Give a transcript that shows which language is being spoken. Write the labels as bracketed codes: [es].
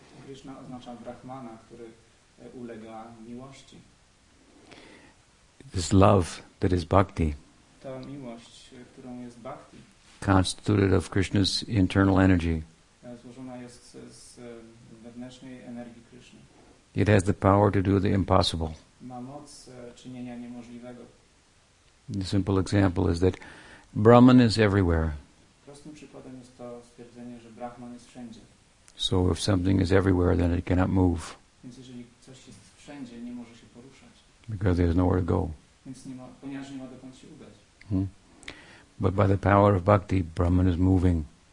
[pl] Krishna oznacza Brahmana, który ulega miłości. [en] This love that is bhakti. [pl] Ta miłość, którą jest bhakti, [en] constituted of Krishna's internal energy, [pl] złożona jest z wewnętrznej energii Krishna. [en] It has the power to do the impossible. [pl] Ma moc czynienia niemożliwego. [en] The simple example is that Brahman is everywhere. [pl] Prostym przykładem jest to stwierdzenie, że Brahman jest wszędzie. [en] So if something is everywhere, then it cannot move. [pl] Więc jeżeli coś jest wszędzie, nie może się poruszać. [en] Because there is nowhere to go. [pl] Więc nie ma, ponieważ nie ma dokąd się udać. [en] But by the power of bhakti, Brahman is moving.